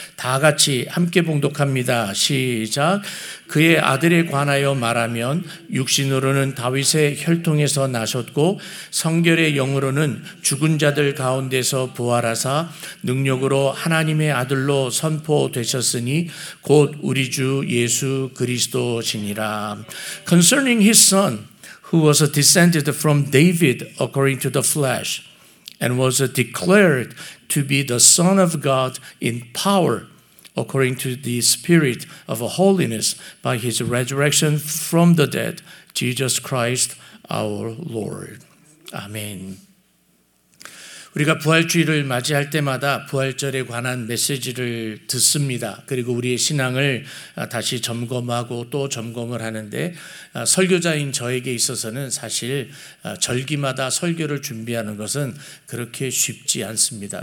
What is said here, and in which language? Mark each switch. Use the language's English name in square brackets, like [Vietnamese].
[Korean] 다 같이 함께 봉독합니다. 시작. 그의 아들에 관하여 말하면 육신으로는 다윗의 혈통에서 나셨고 성결의 영으로는 죽은 자들 가운데서 부활하사 능력으로 하나님의 아들로 선포되셨으니 곧 우리 주 예수 그리스도시니라. [English] Concerning his son who was descended from David according to the flesh and was declared to be the Son of God in power according to the Spirit of holiness by his resurrection from the dead, Jesus Christ our Lord. Amen. [Korean] 우리가 부활주의를 맞이할 때마다 부활절에 관한 메시지를 듣습니다. 그리고 우리의 신앙을 다시 점검하고 또 점검을 하는데 설교자인 저에게 있어서는 사실 절기마다 설교를 준비하는 것은 그렇게 쉽지 않습니다.